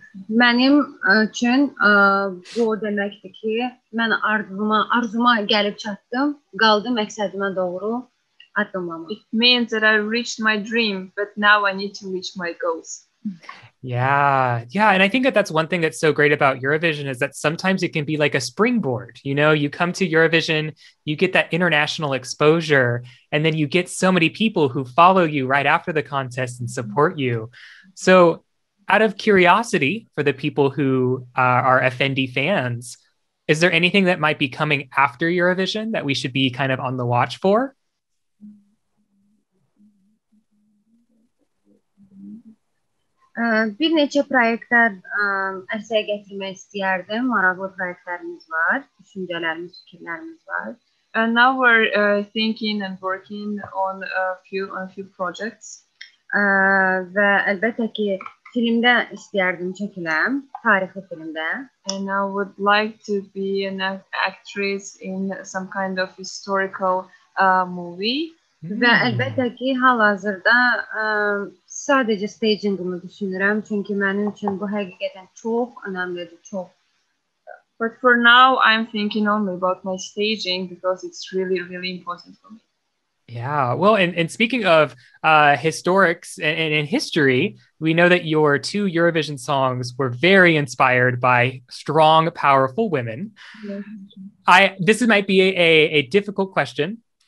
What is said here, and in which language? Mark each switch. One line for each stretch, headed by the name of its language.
Azerbaijani: Mənim üçün bu deməkdir ki, mən arzuma gəlib çatdım, qaldı məqsədimə doğru addımlamaq.
English: It means that I reached my dream, but now I need to reach my goals. Yeah, and I think that that's one thing that's so great about Eurovision is that sometimes it can be like a springboard. You know, you come to Eurovision, you get that international exposure, and then you get so many people who follow you right after the contest and support you. So, out of curiosity for the people who are Efendi fans, is there anything that might be coming after Eurovision that we should be kind of on the watch for?
Azerbaijani: Bir neçə proyektlər ərsəyə gətirmək istəyərdim. Maraqlı proyektlərimiz var, düşüncələrimiz, fikirlərimiz var.
English: And now we're thinking and working on a few projects.
Azerbaijani: Və əlbəttə ki, filmdə istəyərdim çəkiləm, tarixi filmdə.
English: And I would like to be an actress in some kind of historical movie.
Azerbaijani: Və əlbəttə ki, hal-hazırda sadəcə stagingimi düşünürəm, çünki mənim üçün bu həqiqətən çox önəmlidir, çox.
English: But for now, I'm thinking only about my staging because it's really, really important for me. Yeah, well, and speaking of historics and in history, we know that your 2 Eurovision songs were very inspired by strong, powerful women. Yes. This might be a difficult question,